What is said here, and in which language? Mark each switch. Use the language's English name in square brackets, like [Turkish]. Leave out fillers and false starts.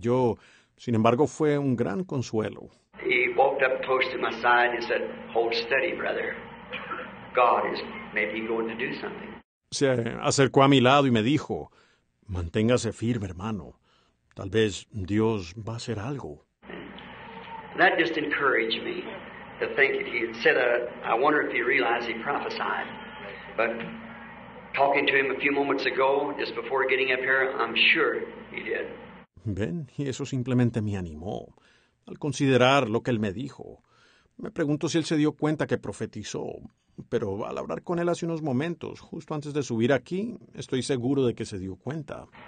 [Spanish] Yo, sin embargo, fue un gran consuelo. [English] He walked up close to my side and said, hold steady, brother. God is maybe going to do something. [Spanish] Se acercó a mi lado y me dijo, manténgase firme, hermano. Tal vez Dios va a hacer algo. [English] That just encouraged me to think if he had said that, I wonder if he realized he prophesied. But talking to him a few moments ago, just before getting up here, I'm sure he did. [Spanish] Ben, y eso simplemente me animó. Al considerar lo que él me dijo, me pregunto si él se dio cuenta que profetizó. Pero al hablar con él hace unos momentos, justo antes de subir aquí, estoy seguro de que se dio cuenta.